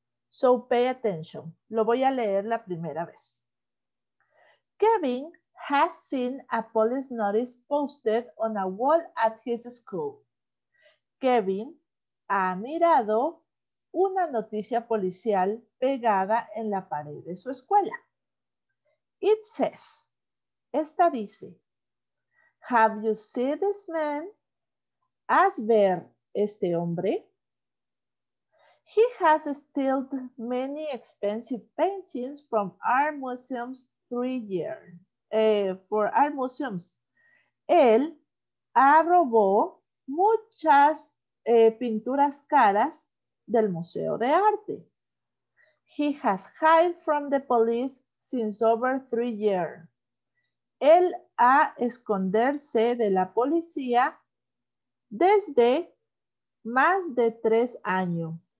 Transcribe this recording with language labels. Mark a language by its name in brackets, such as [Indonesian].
[English] So pay attention. [Spanish] Lo voy a leer la primera vez. [English] Kevin has seen a police notice posted on a wall at his school. [Spanish] Kevin ha mirado una noticia policial pegada en la pared de su escuela. [English] It says, [Spanish] esta dice, [English] have you seen this man? [Spanish] ¿Has ver este hombre? [English] He has stealed many expensive paintings from art museums 3 years, for art museums. [Spanish] Él robó muchas pinturas caras del museo de arte. [English] He has hid from the police since over 3 years. [Spanish] Él ha esconderse de la policía desde más de 3 años.